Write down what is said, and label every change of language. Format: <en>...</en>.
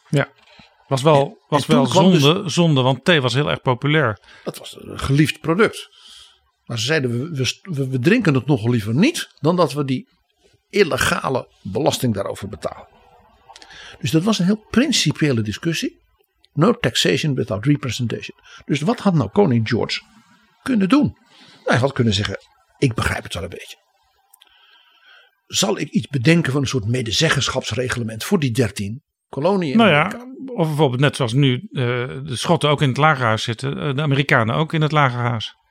<nl>Ja, was wel zonde, dus, zonde, want thee was heel erg populair. Dat was een geliefd product. Maar ze zeiden, we drinken het nog liever niet dan dat we die illegale belasting daarover betalen. Dus dat was een heel principiële discussie.</nl> <en>No taxation without representation.</en> <nl>Dus wat had nou koning George kunnen doen? Nou, hij had kunnen zeggen, ik begrijp het wel een beetje. zal ik iets bedenken van een soort medezeggenschapsreglement voor die 13 koloniën. Nou ja, of bijvoorbeeld net zoals nu de Schotten ook in het lagerhuis zitten, de Amerikanen ook in het lagerhuis.</nl>